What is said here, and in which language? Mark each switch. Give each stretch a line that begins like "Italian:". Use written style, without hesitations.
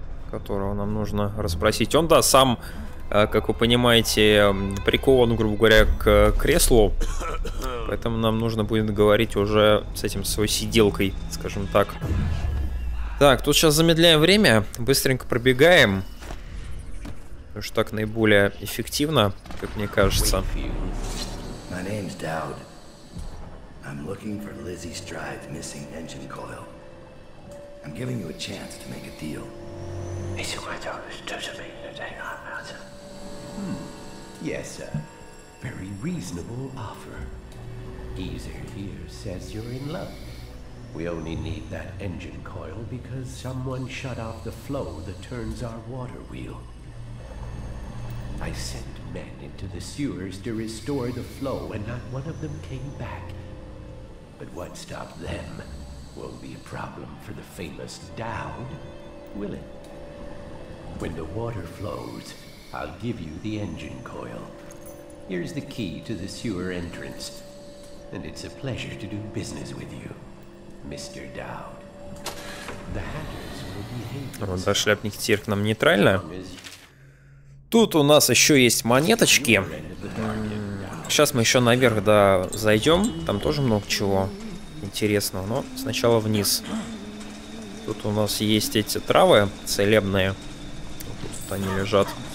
Russian: которого нам нужно расспросить. Он, да, сам, как вы понимаете, прикован, грубо говоря, к креслу. Поэтому нам нужно будет говорить уже с этим, с своей сиделкой, скажем так. Так, тут сейчас замедляем время, быстренько пробегаем. Потому что так наиболее эффективно, как мне кажется.
English: My name's Dowd. I'm looking for Lizzie Stride's missing engine coil. I'm giving you a chance to make a deal. It's a great opportunity to make a day not matter. Hmm. Yes, sir. Very reasonable offer. Geezer here says you're in love. We only need that engine coil because someone shut off the flow that turns our water wheel. I sent men into the sewers to restore the flow, and not one of them came back. But what stopped them won't be a problem for the famous Dowd, will it? When the water flows, I'll give you the engine coil. Here's the key to the sewer entrance, and it's a pleasure to do business with you, Mr. Dowd. The Hatters will behave.
Russian: Вот за шляпник тир к нам нейтрально. Тут у нас еще есть монеточки. Сейчас мы еще наверх, да, зайдем. Там тоже много чего интересного. Но сначала вниз. Тут у нас есть эти травы целебные. Тут они лежат.